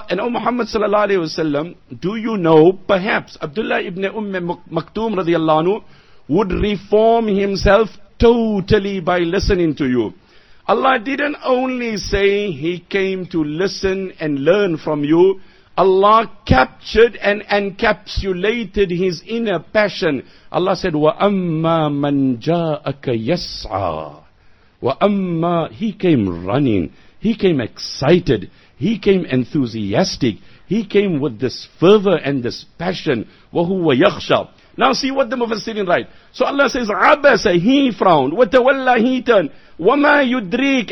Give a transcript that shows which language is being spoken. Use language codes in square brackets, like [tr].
[en] And O Muhammad sallallahu alayhi wa sallam, do you know, perhaps Abdullah ibn Umm Maktum radiallahu anhu would reform himself totally by listening to you. Allah didn't only say he came to listen and learn from you. Allah captured and encapsulated his inner passion. Allah said, [ar] وَأَمَّا مَنْ جَاءَكَ يَسْعَى. [en] وَأَمَّا, he came running, he came excited, he came enthusiastic, he came with this fervor and this passion. [ar] وَهُوَ يَخْشَى. [en] Now see what the Mufassirin write. So Allah says, عَبَسَ, he frowned, وَتَوَلَّ, he turned, [ar] وَمَا يُدْرِيكَ.